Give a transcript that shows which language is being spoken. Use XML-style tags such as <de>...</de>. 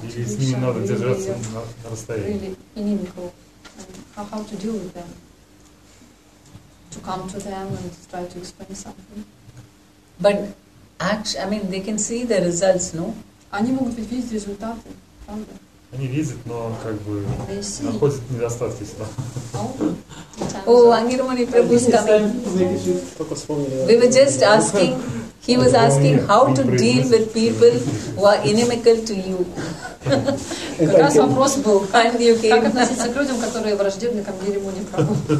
<ru>и с ними надо держаться на расстоянии.</ru> <en>Really inimical. How to deal with them? To come to them and try to explain something? But, actually, I mean, they can see the results, no?</en> <ru>Они могут ведь видеть результаты, правда? Они видят, но как бы находят недостатки сюда.</ru> <en>О, Ангирмани Прабху is coming. We were just asking, he was asking how to deal with people who are inimical to you.</en> <ru>Как раз вопрос был, как относиться к людям, которые враждебны к Ангирмани Прабху.</ru>